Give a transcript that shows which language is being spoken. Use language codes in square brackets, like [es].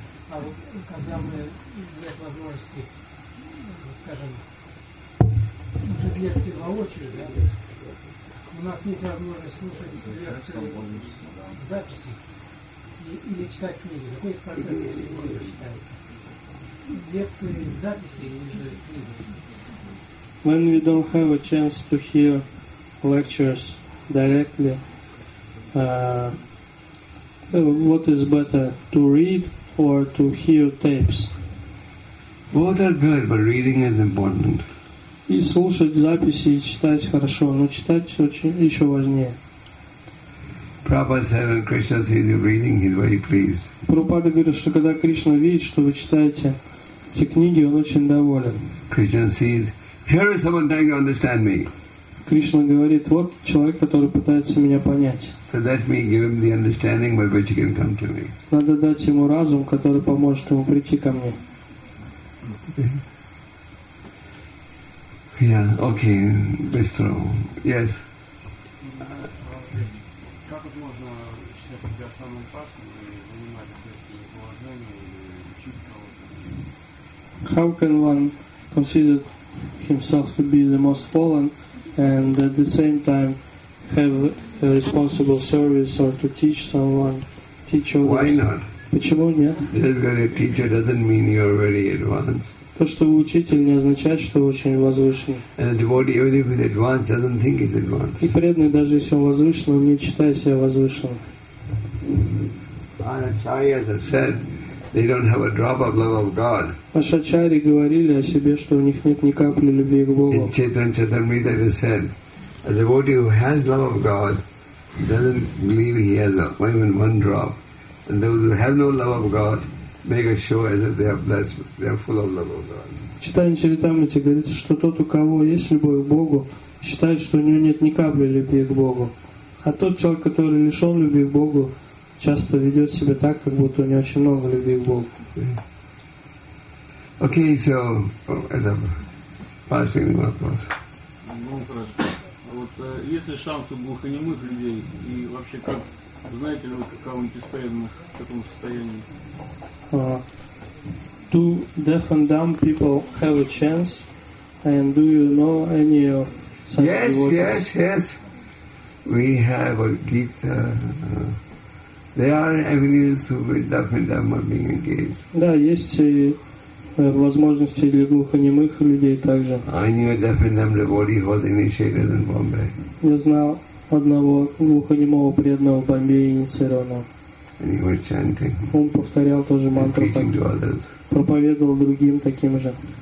[ru] А вот когда мы взять возможности, скажем, слушать лекции воочию, да, у нас есть возможность слушать лекции в записи или читать книги. Какой из процессов сегодня считается? Лекции в записи или же книги? [en] When we don't have a chance to hear lectures directly, what is better, to read or to hear tapes? Both are good, but reading is important. [ru] И слушать записи, и читать хорошо, но читать очень еще важнее. [en] Prabhupada said when Krishna sees you reading, he's very pleased. [ru] Прабхупада говорит, что когда Кришна видит, что вы читаете эти книги, он очень доволен. [en] Krishna sees. Here is someone trying to understand me. [ru] Кришна говорит, вот человек, который пытается меня понять. [en] So let me give him the understanding by which he can come to me. [ru] Надо дать ему разум, который поможет ему прийти ко мне. [en] Yeah, okay, [ru] быстро. [en] Yes. [ru] Как это можно считать себя самым опасным и занимать ответственное положение или учить кого-то? [en] How can one consider himself to be the most fallen and at the same time have a responsible service or to teach someone, teach others. Why not? [ru] Почему нет? [en] Just because you're a teacher doesn't mean you're very advanced. [ru] То, что вы учитель, не означает, что вы очень возвышенный. [en] And a devotee, even if he's advanced, doesn't think he's advanced. [ru] И преданный, даже если он возвышенный, он не считает себя возвышенным. [en] Acharyas have said they don't have a drop of love of God. [ru] Ашачари говорили о себе, что у них нет ни капли любви к Богу. [en] In Chaitanya Charitamrita it is said, a devotee who has love of God doesn't believe he has even one drop. And those who have no love of God make a show as if they are blessed, they are full of love of God. [ru] В Chaitanya Charitamrita говорится, что тот, у кого есть любовь к Богу, считает, что у него нет ни капли любви к Богу. А тот человек, который лишен любви к Богу, часто ведет себя так, как будто у него очень много любви к Богу. [en] Okay, so [ru] это [en] passing the [ru] вопрос. Ну хорошо. Вот есть ли шансы глухонемых людей и вообще как знаете ли вы, каково они постоянно в таком состоянии? [en] Do deaf and dumb people have a chance? And do you know any of such Yes, devotees? Yes, yes. We have a Gita. There are avenues with deaf and dumb are being engaged. [ru] Да, есть возможности для глухонемых людей также. [en] I knew a deaf and dumb devotee who was initiated in Bombay. [ru] Я знал одного глухонемого преданного в Бомбее, инициированного. [en] And he was chanting. [ru] Он повторял тоже мантру. [en] And preaching to others. [ru] Проповедовал другим таким же.